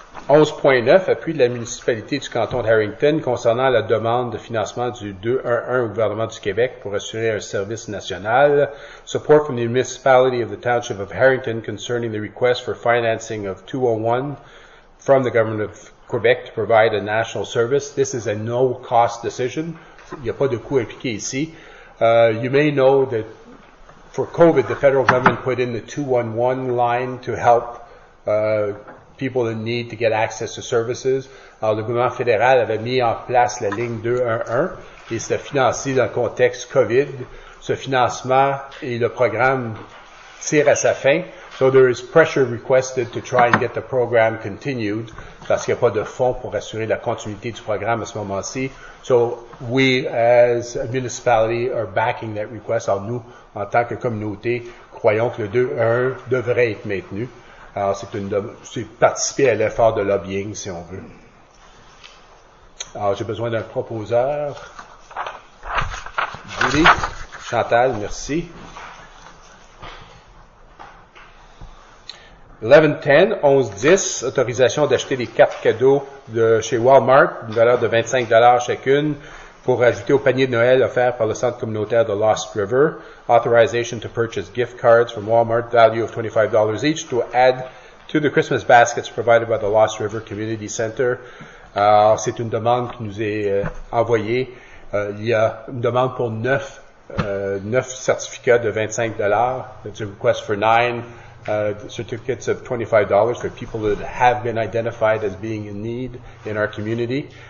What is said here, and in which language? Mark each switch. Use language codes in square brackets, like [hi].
[fr] « 11.9, appui de la municipalité du canton de Harrington concernant la demande de financement du 211 au gouvernement du Québec pour assurer un service national. [en] Support from the municipality of the township of Harrington concerning the request for financing of 201 from the government of Quebec to provide a national service. This is a no-cost decision. [fr] » Il n'y a pas de coût impliqué ici. [en] You may know that for COVID, the federal government put in the 211 line to help people in need to get access to services. [fr] Alors, le gouvernement fédéral avait mis en place la ligne 211 et s'est financé dans le contexte COVID. Ce financement et le programme tirent à sa fin. [en] So there is pressure requested to try and get the program continued, [fr] parce qu'il n'y a pas de fonds pour assurer la continuité du programme à ce moment-ci. [en] So we, as a municipality, are backing that request. [fr] Alors nous, en tant que communauté, croyons que le 2-1 devrait être maintenu. Alors c'est participer à l'effort de lobbying, si on veut. Alors j'ai besoin d'un proposeur. Julie, Chantal, merci. 11-10, autorisation d'acheter des cartes cadeaux de chez Walmart, une valeur de 25$ chacune, pour ajouter au panier de Noël offert par le centre communautaire de Lost River. [en] Authorization to purchase gift cards from Walmart, value of $25 each, to add to the Christmas baskets provided by the Lost River Community Center. [fr] Alors, c'est une demande qui nous est envoyée. Il y a une demande pour 9 certificats de 25$. [en] That's a request for 9. Certificates of $25 for people that have been identified as being in need in our community.